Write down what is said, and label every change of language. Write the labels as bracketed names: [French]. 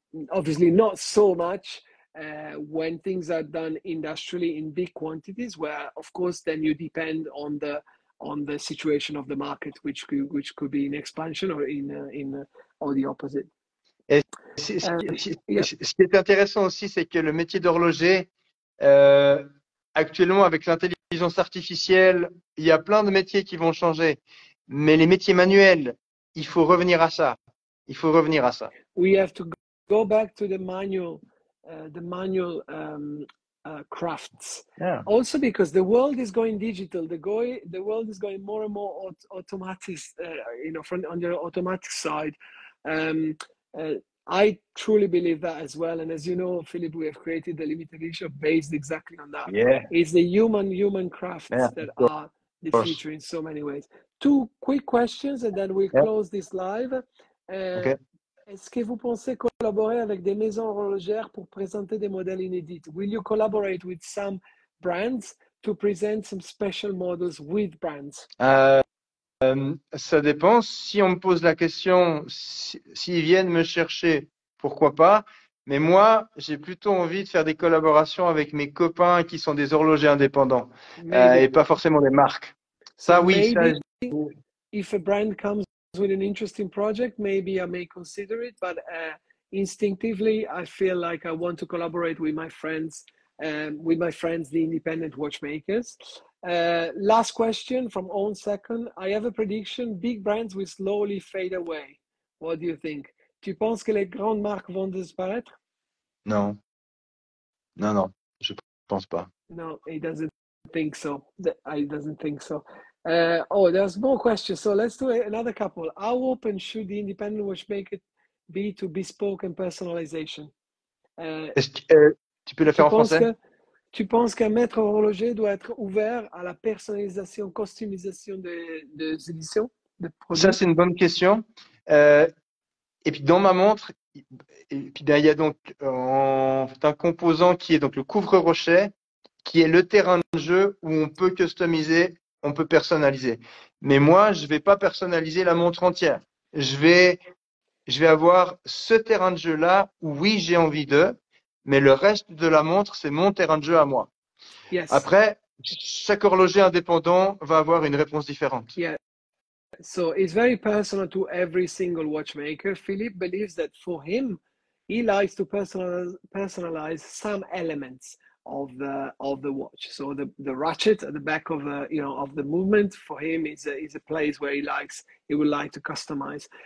[English] Obviously not so much when things are done industrially in big quantities, where of course then you depend on the situation of the market, which could be in expansion or the opposite. [French] Ce qui est intéressant aussi, c'est que le métier d'horloger, actuellement, avec l'intelligence artificielle, il y a plein de métiers qui vont changer. Mais les métiers manuels, il faut revenir à ça. Il faut revenir à ça. [English] We have to go back to the manual crafts. Yeah. Also, because the world is going digital, the world is going more and more automatic. On the automatic side. I truly believe that as well. And as you know, Philippe, we have created the limited edition based exactly on that. Yeah. It's the human crafts that are the future in so many ways. Two quick questions and then we'll close this live. Okay. [French] Est-ce que vous pensez collaborer avec des maisons horlogères pour présenter des modèles inédits? [English] Will you collaborate with some brands to present some special models with brands? [French] Ça dépend. Si on me pose la question, s'ils viennent me chercher, pourquoi pas. Mais moi, j'ai plutôt envie de faire des collaborations avec mes copains qui sont des horlogers indépendants et pas forcément des marques. Ça, oui. [English] If a brand comes with an interesting project, maybe I may consider it. But instinctively, I feel like I want to collaborate with my friends, the independent watchmakers. Last question from own second. I have a prediction. Big brands will slowly fade away. What do you think? [French] Tu penses que les grandes marques vont disparaître? Non. Non, non. Je pense pas. [English] No, he doesn't think so. He doesn't think so. There's more questions. So let's do another couple. How open should the independent watchmaker be to bespoke and personalization? [French] Tu peux la faire en français? Tu penses qu'un maître horloger doit être ouvert à la personnalisation, customisation des éditions, des produits? Ça, c'est une bonne question. Et puis, dans ma montre, il y a donc un composant qui est donc le couvre-rochet, qui est le terrain de jeu où on peut customiser, on peut personnaliser. Mais moi, je ne vais pas personnaliser la montre entière. Je vais avoir ce terrain de jeu-là où, oui, j'ai envie de. Mais le reste de la montre, c'est mon terrain de jeu à moi. [English] Yes. [French] Après, chaque horloger indépendant va avoir une réponse différente. [English] Yeah. So it's very personal to every single watchmaker. Philippe believes that for him, he likes to personalize some elements of the watch. So the ratchet at the back of of the movement for him is a place where he would like to customize.